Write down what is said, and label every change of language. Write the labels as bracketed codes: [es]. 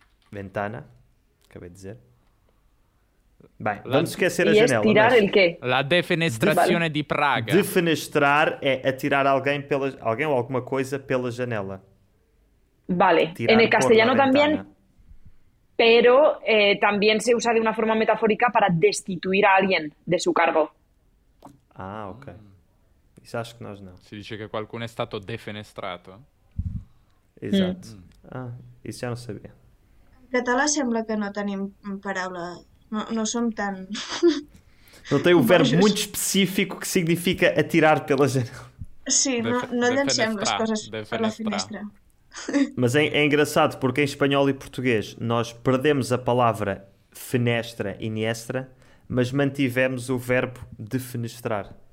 [es] Ventana, [pt] acabei de dizer. Bem, vamos esquecer a janela. E tirar o quê? [it] La defenestrazione de Praga. [pt] Defenestrar é atirar alguém, alguém ou alguma coisa pela janela. Vale, em castellano também... [es] Pero también se usa de una forma metafórica para destituir a alguien de su cargo. Ah, ok. Y sabes que nos no. Se dice que [it] qualcuno è stato defenestrato. [es] Exacto. Ah, y ya no sabía. [ca] En català sembla que no tenim paraula. No som tan... [es] No tengo un verbo muy específico que significa [pt] atirar pela janela. [ca] Sí, no llancem las cosas por la finestra. [pt] Mas é engraçado porque em espanhol e português nós perdemos a palavra fenestra, iniestra, mas mantivemos o verbo defenestrar.